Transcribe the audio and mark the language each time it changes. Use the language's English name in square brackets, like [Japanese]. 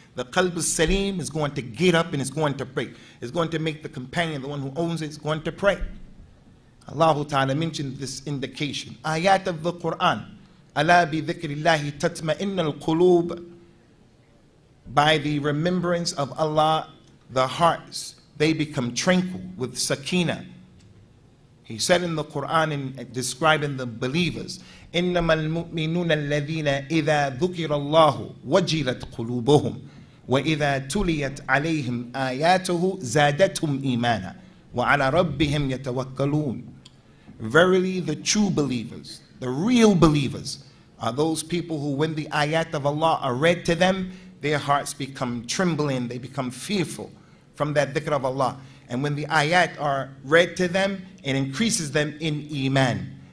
[English] The qalb al-salim is going to get up and it's going to pray. It's going to make the companion, the one who owns it, is going to pray. Allahu Ta'ala mentioned this indication. Ayat of the Quran. [Arabic] Ala bi dhikrillahi tatma'inna al-qulub. [English] By the remembrance of Allah, the hearts, they become tranquil with sakina. He said in the Quran, in describing the believers, [Arabic] إِنَّمَا الْمُؤْمِنُونَ الَّذِينَ إِذَا ذُكِرَ اللَّهُ وَجِلَتْ قُلُوبُهُمْ وَإِذَا تُلِيَتْ عَلَيْهِمْ آيَاتُهُ زَادَتْهُمْ إِيمَانًا وَعَلَى رَبِّهِمْ يَتَوَكَّلُونَ. [English] Verily, the true believers, the real believers, are those people who, when the ayat of Allah are read to them, their hearts become trembling, they become fearful from that dhikr of Allah. And when the ayat are read to them, it increases them in iman.